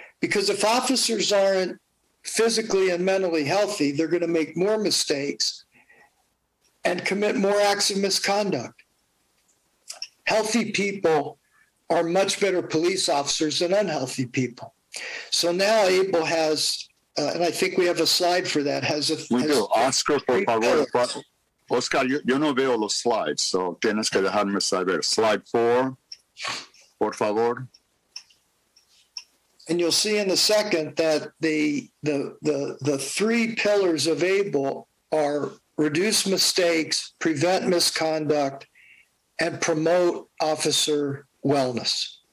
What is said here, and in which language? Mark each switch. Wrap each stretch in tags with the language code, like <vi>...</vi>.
<en>Because if officers aren't physically and mentally healthy, they're going to make more mistakes and commit more acts of misconduct. Healthy people are much better police officers than unhealthy people. So now ABLE has, and I think we have a slide for that,</en> <es>Oscar, por favor. Oscar, yo no veo los slides, so tienes que dejarme saber. Slide 4, por favor.</es> <en>And you'll see in a second that the three pillars of ABLE are reduce mistakes, prevent misconduct, and promote officer wellness.</en>